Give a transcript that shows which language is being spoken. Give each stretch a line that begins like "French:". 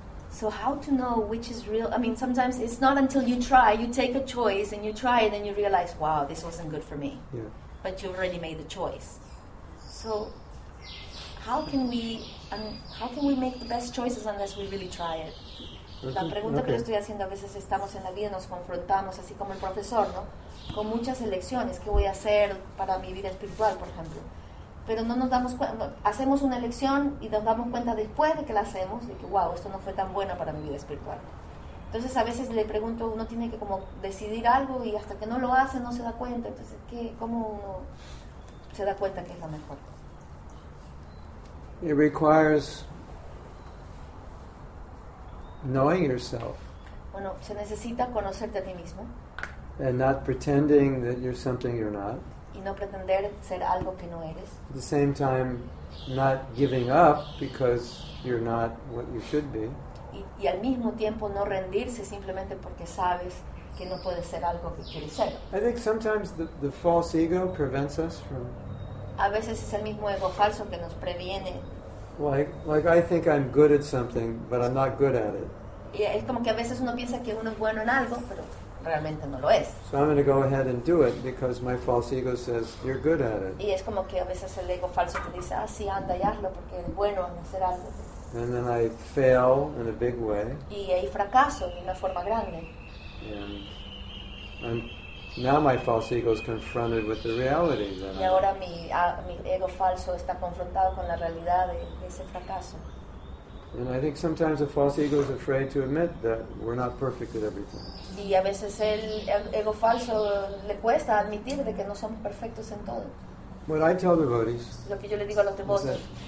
English: So how to know which is real? I mean, sometimes it's not until you try. You take a choice and you try and then you realize, wow, this wasn't good for me. Yeah. But you already made the choice. So how can we make the best choices unless we really try it?
Spanish: La pregunta que yo estoy haciendo, a veces estamos en la vida, nos confrontamos, así como el profesor, ¿no? Con muchas elecciones, ¿qué voy a hacer para mi vida espiritual, por ejemplo? Pero no nos damos cuenta, hacemos una elección y nos damos cuenta después de que la hacemos, de que, wow, esto no fue tan bueno para mi vida espiritual. Entonces, a veces le pregunto, uno tiene que como decidir algo y hasta que no lo hace, no se da cuenta. Entonces, ¿qué, cómo uno se da cuenta que es la mejor?
English: It requires knowing yourself.
Spanish: Bueno, se necesita conocerte a ti mismo.
English: And not pretending that you're something you're not.
Spanish: Y no pretender ser algo que no eres.
English: At the same time, not giving up because you're not what you should be.
Spanish: Y al mismo tiempo no rendirse simplemente porque sabes que no puedes ser algo que quieres ser.
English: I think sometimes the false ego prevents us from.
Spanish: A veces es el mismo ego falso que nos previene.
English: Like I think I'm good at something, but I'm not good at it.
Spanish: Y es como que a veces uno piensa que uno es bueno en algo, pero realmente no lo es.
English: So I'm going to go ahead and do it because my false ego says you're good at it.
Spanish: Y es como que a veces el ego falso te dice, ah, sí, anda y hazlo porque es bueno en hacer algo.
English: And then I fail in a big way.
Spanish: Y ahí fracaso de una forma grande.
English: And now my false ego is confronted with the reality that.
Spanish: Y ahora mi ego falso está confrontado con la realidad de ese fracaso.
English: And I think sometimes the false ego is afraid to admit that we're not perfect at everything.
Spanish: Y a veces el ego falso le cuesta admitir de que no somos perfectos en todo.
English: What I tell devotees.
Spanish: Lo que yo le digo a los devotos.